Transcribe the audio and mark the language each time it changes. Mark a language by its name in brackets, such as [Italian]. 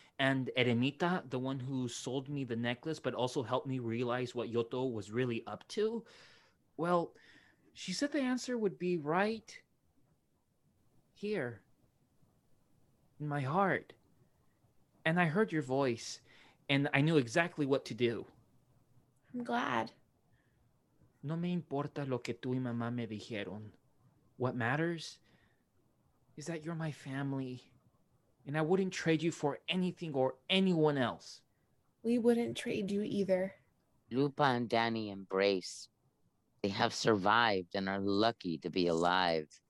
[English] And Eremita, the one who sold me the necklace but also helped me realize what Yoto was really up to, well, she said the answer would be right here in my heart. And I heard your voice, and I knew exactly what to do. I'm glad. [Spanish] No me importa lo que tú y mamá me dijeron. [English] What matters is that you're my family, and I wouldn't trade you for anything or anyone else. We wouldn't trade you either. Lupa and Danny embrace. They have survived and are lucky to be alive.